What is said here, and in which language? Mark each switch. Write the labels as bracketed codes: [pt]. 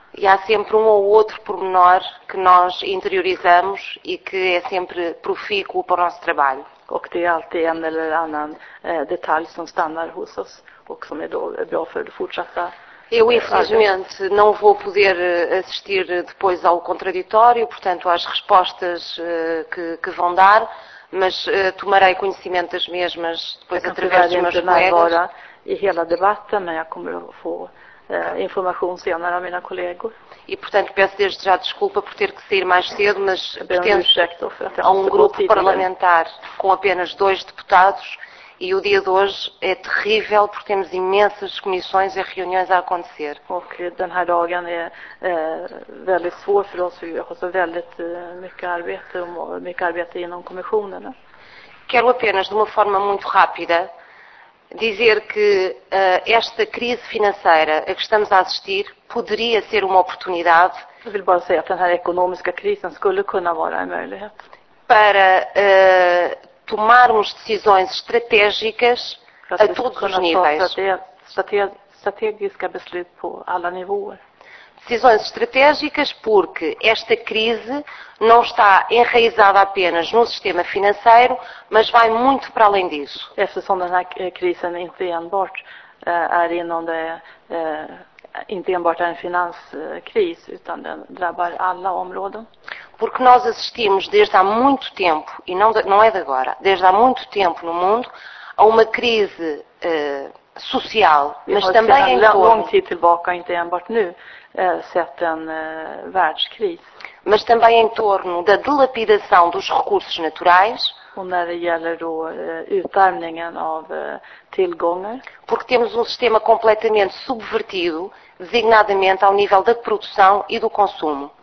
[pt] E há sempre um ou outro pormenor que nós interiorizamos e que é sempre profícuo para o nosso trabalho. [sv] Och det är alltid en eller annan detalj som stannar hos oss och som är då bra för det fortsatta. [pt] Eu infelizmente não vou poder assistir depois ao contraditório, portanto às respostas que vão dar, mas tomarei conhecimento das mesmas depois através dos meus colegas. [sv] I hela debatten, men jag kommer att få information senare av mina kollegor. [pt] E portanto peço desde já desculpa por ter que sair mais cedo, mas pretendo a um grupo parlamentar com apenas 2 deputados e o dia de hoje é terrível porque temos imensas comissões e reuniões a acontecer. Porque [sv] den här dagen är väldigt svår för oss, vi har så väldigt mycket arbete inom kommissionerna. [pt] Quero apenas de uma forma muito rápida dizer que esta crise financeira a que estamos a assistir poderia ser uma oportunidade. Eu vou [sv] bara säga att den här ekonomiska krisen skulle kunna vara en möjlighet. [pt] Para tomarmos decisões estratégicas a todos os níveis. [sv] Estratégiska beslut på alla nivåer. [pt] Decisões estratégicas porque esta crise não está enraizada apenas no sistema financeiro, mas vai muito para além disso. [sv] Eftersom den här krisen inte enbart är inom det inte enbart är en finanskris, utan den drabbar alla områden. [pt] Porque nós assistimos desde há muito tempo, e não é de agora, desde há muito tempo no mundo, a uma crise social, mas também em torno. [sv] Lång tid tillbaka, inte enbart nu, sett en världskris. [pt] Mas também em torno da dilapidação dos recursos naturais. [sv] Och när det gäller då utarmningen av tillgångar. [pt] Porque temos sistema completamente subvertido, designadamente ao nível da produção e do consumo.